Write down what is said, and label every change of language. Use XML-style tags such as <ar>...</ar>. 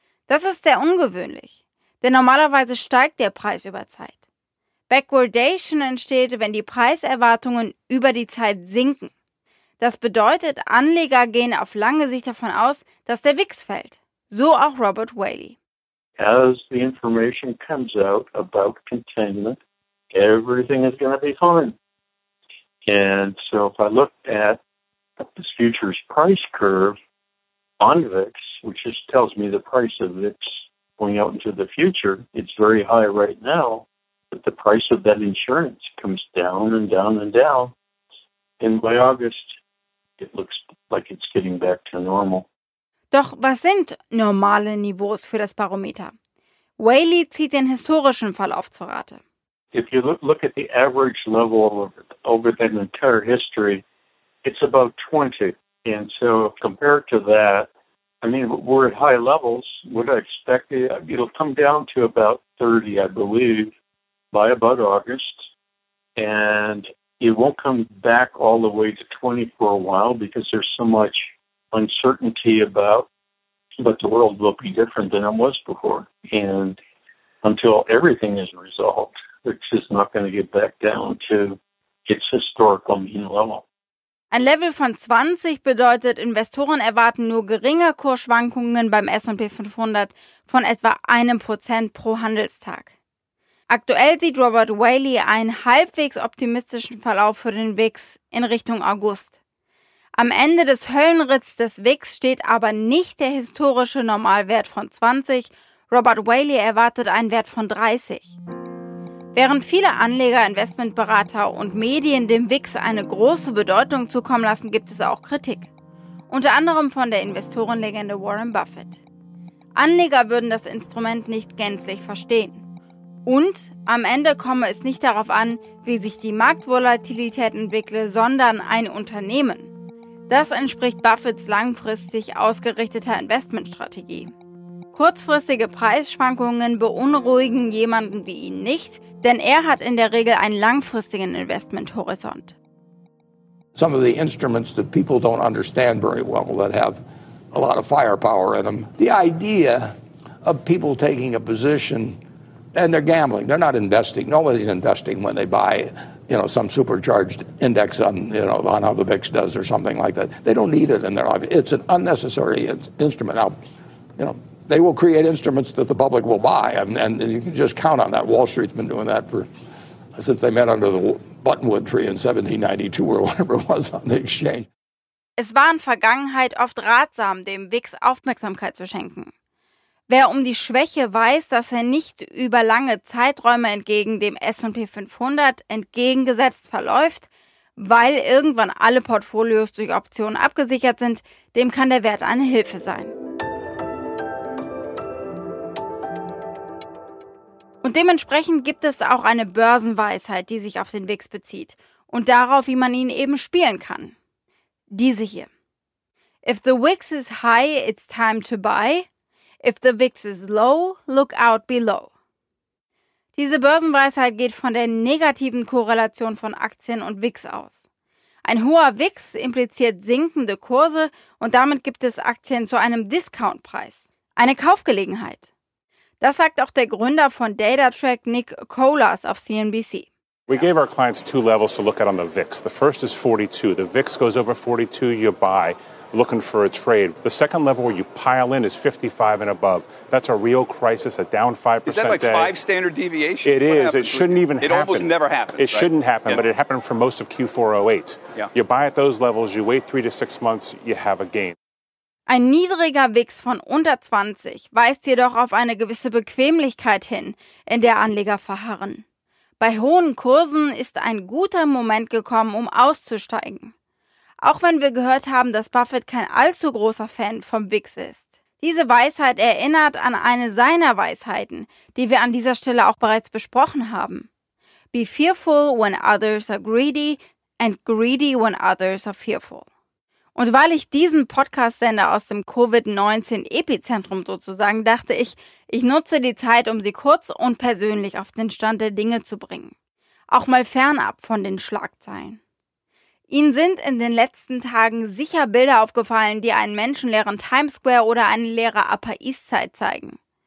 <de>Das ist sehr ungewöhnlich, denn normalerweise steigt der Preis über Zeit. Backwardation entsteht, wenn die Preiserwartungen über die Zeit sinken. Das bedeutet, Anleger gehen auf lange Sicht davon aus, dass der VIX fällt. So auch Robert Whaley.</de> <en>As the information comes out about containment, everything is going to be fine. And so if I look at this futures price curve on VIX, which just tells me the price of VIX going out into the future, it's very high right now, but the price of that insurance comes down and down and down. And by August, it looks like it's getting back to normal.</en> <de>Doch was sind normale Niveaus für das Barometer? Whaley zieht den historischen Verlauf zu Rate.</de> <en>If you look at the average level over that entire history, it's about 20. And so compared to that, I mean, we're at high levels. Would I expect it'll come down to about 30, I believe, by about August. And it won't come back all the way to 20 for a while because there's so much uncertainty about, but the world will be different than it was before. And until everything is resolved, it's just not going to get back down to its historical mean level.</en> <de>Ein Level von 20 bedeutet, Investoren erwarten nur geringe Kursschwankungen beim S&P 500 von etwa 1% pro Handelstag. Aktuell sieht Robert Whaley einen halbwegs optimistischen Verlauf für den VIX in Richtung August. Am Ende des Höllenritts des VIX steht aber nicht der historische Normalwert von 20. Robert Whaley erwartet einen Wert von 30. Während viele Anleger, Investmentberater und Medien dem VIX eine große Bedeutung zukommen lassen, gibt es auch Kritik. Unter anderem von der Investorenlegende Warren Buffett. Anleger würden das Instrument nicht gänzlich verstehen. Und am Ende komme es nicht darauf an, wie sich die Marktvolatilität entwickle, sondern ein Unternehmen. Das entspricht Buffetts langfristig ausgerichteter Investmentstrategie. Kurzfristige Preisschwankungen beunruhigen jemanden wie ihn nicht, denn er hat in der Regel einen langfristigen Investmenthorizont.</de> <en>Some of the instruments that people don't understand very well that have a lot of firepower in them. The idea of people taking a position and they're gambling. They're not investing. Nobody's investing when they buy, you know, some supercharged index on, you know, on how the VIX does or something like that. They don't need it in their life. It's an unnecessary instrument. Now, you know, they will create instruments that the public will buy, and you can just count on that. Wall Street's been doing that since they met under the Buttonwood tree in 1792 or whatever it was on the exchange.</en> <de>Es war in Vergangenheit oft ratsam, dem VIX Aufmerksamkeit zu schenken. Wer um die Schwäche weiß, dass er nicht über lange Zeiträume entgegen dem S&P 500 entgegengesetzt verläuft, weil irgendwann alle Portfolios durch Optionen abgesichert sind, dem kann der Wert eine Hilfe sein. Und dementsprechend gibt es auch eine Börsenweisheit, die sich auf den VIX bezieht und darauf, wie man ihn eben spielen kann. Diese hier.</de> <en>If the VIX is high, it's time to buy. If the VIX is low, look out below.</en> <de>Diese Börsenweisheit geht von der negativen Korrelation von Aktien und VIX aus. Ein hoher VIX impliziert sinkende Kurse und damit gibt es Aktien zu einem Discountpreis, eine Kaufgelegenheit. Das sagt auch der Gründer von DataTrack, Nick Kolas, auf CNBC.</de> <en>We gave our clients two levels to look at on the VIX. The first is 42. The VIX goes over 42, you buy. looking for a trade. The second level where you pile in is 55 and above. That's a real crisis, a down 5% day. Is that like five standard deviations? It is. It shouldn't even happen. It almost never happens. It shouldn't happen, but it happened for most of Q4 '08. Yeah. You buy at those levels, you wait 3 to 6 months, you have a gain.</en> <de>Ein niedriger VIX von unter 20 weist jedoch auf eine gewisse Bequemlichkeit hin, in der Anleger verharren. Bei hohen Kursen ist ein guter Moment gekommen, um auszusteigen. Auch wenn wir gehört haben, dass Buffett kein allzu großer Fan vom VIX ist. Diese Weisheit erinnert an eine seiner Weisheiten, die wir an dieser Stelle auch bereits besprochen haben.</de> <en>Be fearful when others are greedy and greedy when others are fearful.</en> <de>Und weil ich diesen Podcast-Sender aus dem Covid-19-Epizentrum sozusagen, dachte ich, ich nutze die Zeit, um sie kurz und persönlich auf den Stand der Dinge zu bringen. Auch mal fernab von den Schlagzeilen. Ihnen sind in den letzten Tagen sicher Bilder aufgefallen, die einen menschenleeren Times Square oder eine leere Upper East Side zeigen.</de>